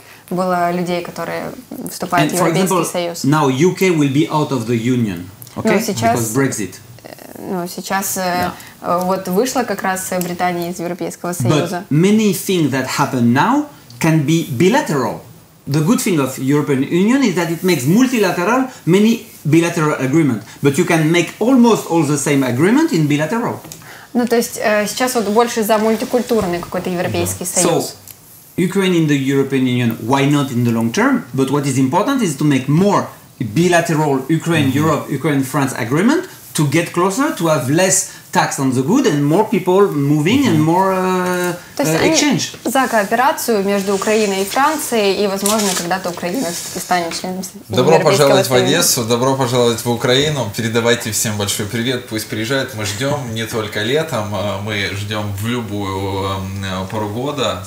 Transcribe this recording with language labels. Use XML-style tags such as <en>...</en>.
<ru>Было людей, которые вступают в Европейский Союз.</ru> <en>Now UK will be out of the union. Okay?</en> <ru>Ну, сейчас,</ru> <en>because Brexit.</en> <ru>Ну, сейчас вот вышла как раз Британия из Европейского Союза.</ru> <en>But many things that happen now can be bilateral. The good thing of European Union is that it makes multilateral many bilateral agreement. But you can make almost all the same agreement in bilateral.</en> <ru>Ну, то есть сейчас вот больше за мультикультурный какой-то Европейский Союз.</ru> <en>So, Ukraine in the European Union, why not in the long term? But what is important is to make more bilateral Ukraine-Europe, Ukraine-France agreement to get closer, to have less tax on the good and more people moving and more exchange.</en> <ru>За кооперацию между Украиной и Францией и, возможно, когда-то Украина станет членом Европейского Добро пожаловать в Одессу, добро пожаловать в Украину. Передавайте всем большой привет, пусть приезжают. Мы ждем не только летом, мы ждем в любую пору года.</ru>